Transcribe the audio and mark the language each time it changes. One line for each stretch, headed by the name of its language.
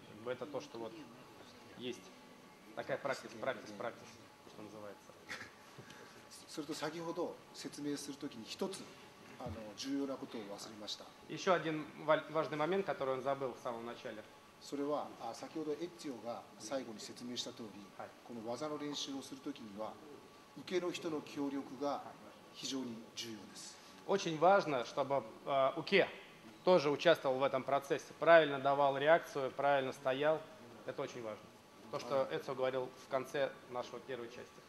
Russian: Это то, что вот есть. Такая практика, что называется.
Japanese: Сурто, 先ほど説明するときに一つ重要なことを忘れました。
Russian: Еще один важный момент, который он забыл в самом начале.
Japanese: それは、先ほどエッジオが最後に説明した通り、この技の練習をするときには、受けの人の協力が非常に重要です。
Russian: Очень важно, чтобы уке тоже участвовал в этом процессе, правильно давал реакцию, правильно стоял. Это очень важно. То, что Эцо говорил в конце нашего первой части.